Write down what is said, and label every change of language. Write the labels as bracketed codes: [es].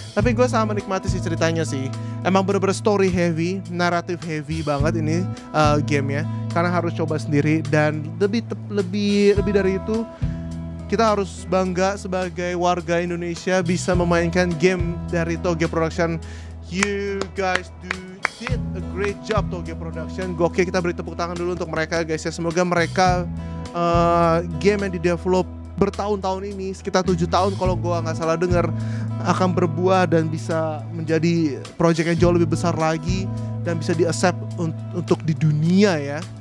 [id] Tapi gue sangat menikmati sih ceritanya sih, emang bener-bener [en] story heavy, narrative heavy [id] banget ini gamenya, karena harus coba sendiri. Dan lebih dari itu, kita harus bangga sebagai warga Indonesia bisa memainkan game dari Toge Production. [en] You guys did a great job, Toge Production. [id] Oke, kita beri tepuk tangan dulu untuk mereka guys ya, semoga mereka game yang didevelop bertahun-tahun ini, sekitar 7 tahun kalau gue gak salah dengar, akan berbuah dan bisa menjadi project yang jauh lebih besar lagi dan bisa di-accept untuk di dunia ya.